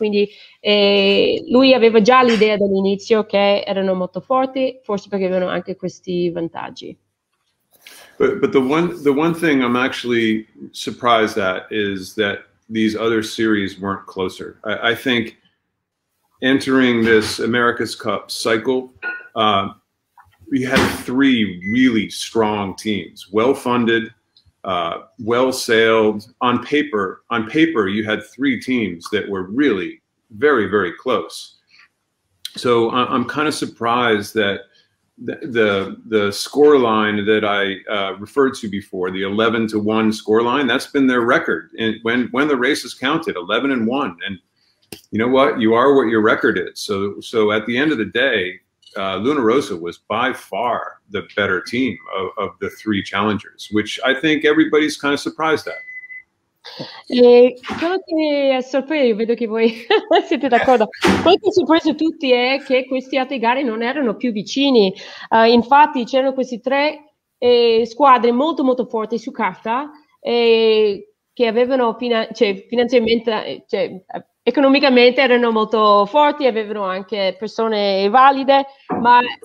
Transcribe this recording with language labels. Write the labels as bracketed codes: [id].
[it] Quindi lui aveva già l'idea dall'inizio che erano molto forti, forse perché avevano anche questi vantaggi. [en] But the one thing I'm actually surprised at is that these other series weren't closer. I think entering this America's Cup cycle, we had three really strong teams, well-funded, well-sailed. On paper, you had three teams that were really very, very close. So I'm kind of surprised that the score line that I referred to before, the 11-1 score line, that's been their record. And when the race is counted, 11-1. And you know what? You are what your record is. So at the end of the day, Luna Rossa was by far the better team of the three challengers, which I think everybody's kind of surprised at. [it] Quello che mi ha sorpreso, vedo che voi siete d'accordo, quello che ha sorpreso tutti è che questi altri gare non erano più vicini. Infatti c'erano queste tre squadre molto molto forti su carta, che avevano economicamente erano molto forti, avevano anche persone valide, ma